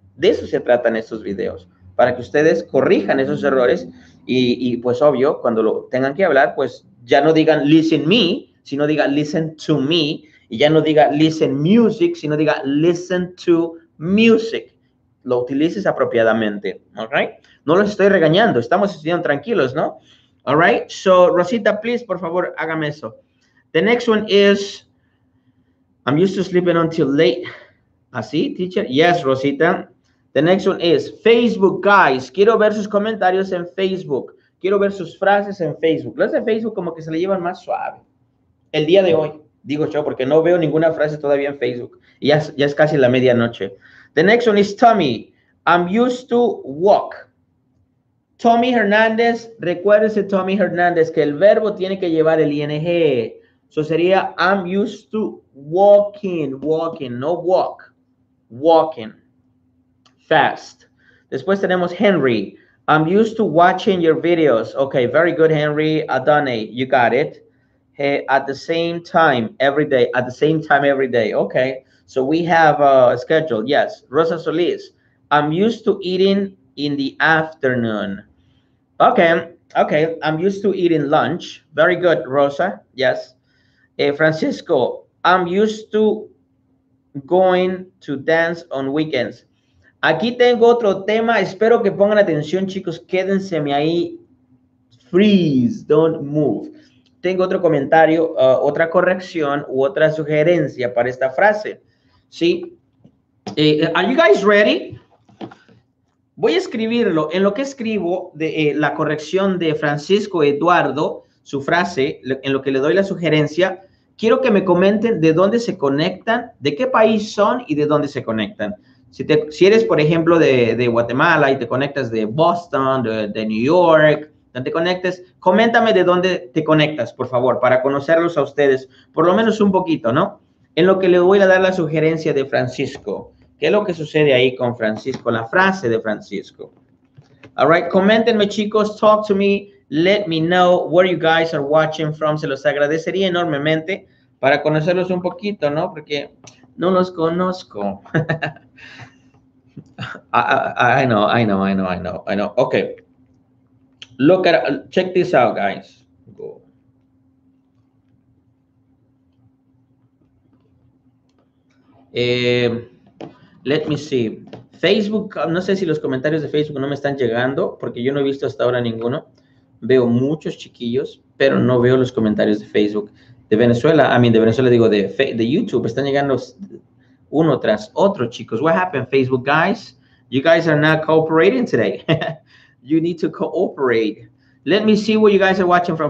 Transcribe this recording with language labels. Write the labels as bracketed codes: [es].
[es] De eso se tratan estos videos, para que ustedes corrijan esos errores y pues obvio, cuando lo tengan que hablar, pues ya no digan [en] listen me, [es] sino diga [en] listen to me, [es] y ya no diga [en] listen music, [es] sino diga [en] listen to music. [es] Lo utilices apropiadamente, ¿alright? No los estoy regañando, estamos estudiando tranquilos, ¿no? Alright, so Rosita, please, por favor, hágame eso. [en] The next one is, I'm used to sleeping until late. [es] ¿Así, teacher? [en] Yes, Rosita. The next one is, Facebook, guys. [es] Quiero ver sus comentarios en Facebook. Quiero ver sus frases en Facebook. Las de Facebook como que se le llevan más suave. El día de hoy, digo yo, porque no veo ninguna frase todavía en Facebook. Ya es casi la medianoche. [en] The next one is Tommy. I'm used to walk. [es] Tommy Hernández, recuérdese Tommy Hernández que el verbo tiene que llevar el ing. [en] So sería I'm used to walking, no walk. Walking. Fast. [es] Después tenemos Henry. [en] I'm used to watching your videos. Okay, very good, Henry. Adonai, you got it. Hey, at the same time every day. At the same time every day. Okay. So we have a schedule, yes. Rosa Solis, I'm used to eating in the afternoon. Okay, I'm used to eating lunch. Very good, Rosa, yes. Francisco, I'm used to going to dance on weekends. [es] Aquí tengo otro tema, espero que pongan atención, chicos, quédenseme ahí. [en] Freeze, don't move. [es] Tengo otro comentario, otra corrección u otra sugerencia para esta frase. Sí. [en] Are you guys ready? [es] Voy a escribirlo. En lo que escribo de la corrección de Francisco Eduardo, su frase, en lo que le doy la sugerencia, quiero que me comenten de dónde se conectan, de qué país son y de dónde se conectan. Si eres, por ejemplo, de Guatemala y te conectas de Boston, de New York, donde te conectes, coméntame de dónde te conectas, por favor, para conocerlos a ustedes, por lo menos un poquito, ¿no? En lo que le voy a dar la sugerencia de Francisco. ¿Qué es lo que sucede ahí con Francisco? La frase de Francisco. [en] All right, [es] coméntenme, chicos. [en] Talk to me. Let me know where you guys are watching from. [es] Se los agradecería enormemente para conocerlos un poquito, ¿no? Porque no los conozco. [en] I know. Okay. Check this out, guys. Go. Let me see. [es] Facebook, no sé si los comentarios de Facebook no me están llegando, porque yo no he visto hasta ahora ninguno. Veo muchos chiquillos, pero no veo los comentarios de Facebook. De Venezuela, I mean, de Venezuela digo, de YouTube, están llegando uno tras otro, chicos. [en] What happened, Facebook guys? You guys are not cooperating today. You need to cooperate. Let me see what you guys are watching from.